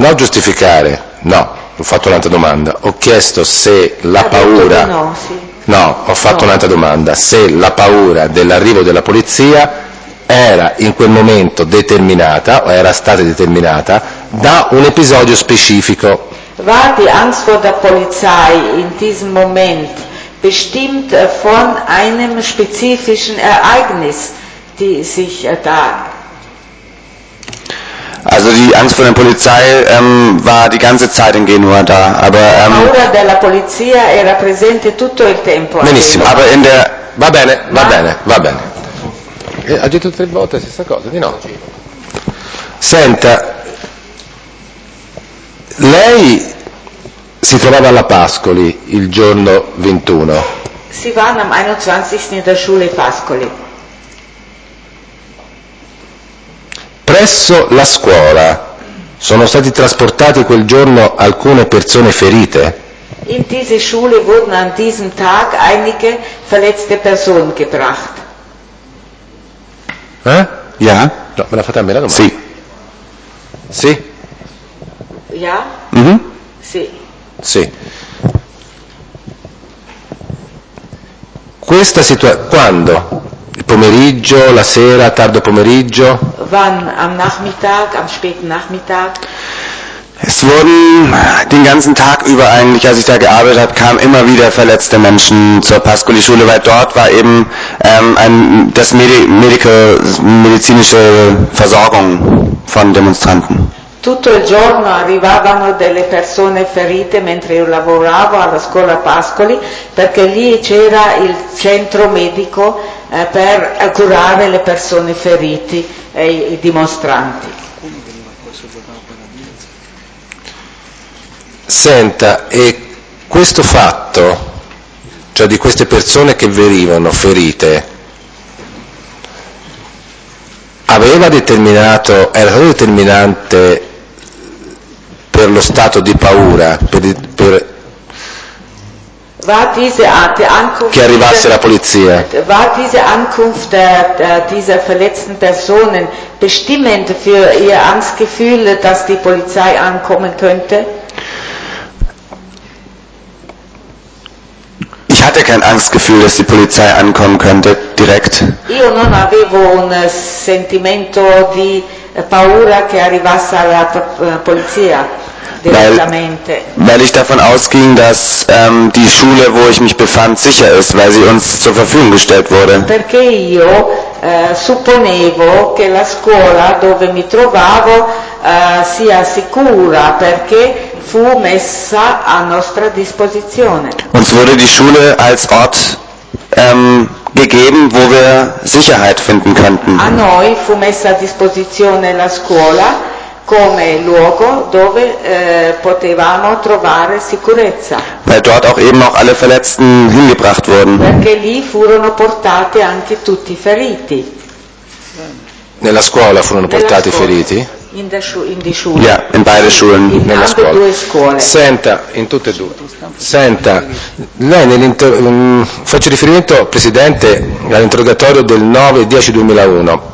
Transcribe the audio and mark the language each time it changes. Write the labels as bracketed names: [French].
[Italian] No, giustificare, no. Ho fatto un'altra domanda. Ho chiesto se la paura. No, sì. No, ho fatto no. Un'altra domanda. Se la paura dell'arrivo della polizia era in quel momento determinata o era stata determinata da un episodio specifico. [German] War die Angst vor der Polizei in diesem Moment bestimmt von einem spezifischen Ereignis, die sich da. Also die Angst vor der Polizei war die ganze Zeit in Genua da, aber [Italian] paura della polizia era presente tutto il tempo. [German] Benissimo, aber in der [Italian] va bene, va ma... bene, va bene. Ha detto tre volte la stessa cosa, di no. Senta, lei si trovava alla Pascoli il giorno 21. [German] Si va am 21. Der Schule Pascoli. [Italian] Presso la scuola sono stati trasportati quel giorno alcune persone ferite? [German] In diese Schule wurden an diesem Tag einige verletzte Personen gebracht. Eh? Ja? [Italian] No, me l'ha fatta a me la domanda? Sì. Sì? [German] Ja? Mm-hmm. [Italian] Sì. Sì. Questa situazione, quando? Il pomeriggio, la sera, tardo pomeriggio. [German] Wann am Nachmittag, am späten Nachmittag? Es wurden den ganzen Tag über eigentlich, als ich da gearbeitet habe, kamen immer wieder verletzte Menschen zur Pascoli-Schule, weil dort war eben das medizinische Versorgung von Demonstranten. [Italian] Tutto il giorno arrivavano delle persone ferite mentre io lavoravo alla scuola Pascoli, perché lì c'era il centro medico per curare le persone ferite e i dimostranti. Senta, e questo fatto, cioè di queste persone che venivano ferite, aveva determinato, era stato determinante per lo stato di paura, per [German] war diese Art der Ankunft, [Italian] che arrivasse la polizia. [German] War diese Ankunft dieser verletzten Personen bestimmend für ihr Angstgefühl, dass die Polizei ankommen könnte? Ich hatte kein Angstgefühl, dass die Polizei ankommen könnte, direkt. [Italian] Io non avevo un sentimento di paura che arrivasse la polizia. [German] Weil ich davon ausging, dass die Schule, wo ich mich befand, sicher ist, weil sie uns zur Verfügung gestellt wurde. [Italian] Perché io supponevo che la scuola dove mi trovavo sia sicura, perché fu messa a nostra disposizione. [German] Uns wurde die Schule als Ort gegeben, wo wir Sicherheit finden könnten. [Italian] A noi fu messa a disposizione la scuola come luogo dove potevamo trovare sicurezza. [German] Weil dort auch eben auch alle Verletzten hingebracht wurden. [Italian] Perché lì furono portati anche tutti i feriti. Nella scuola furono portati i feriti? [German] in die Schule. Yeah, in beide Schulen, in [Italian] nella scuola. Due scuole. Senta, in tutte e due. Senta, lei faccio riferimento, Presidente, all'interrogatorio del 9-10-2001.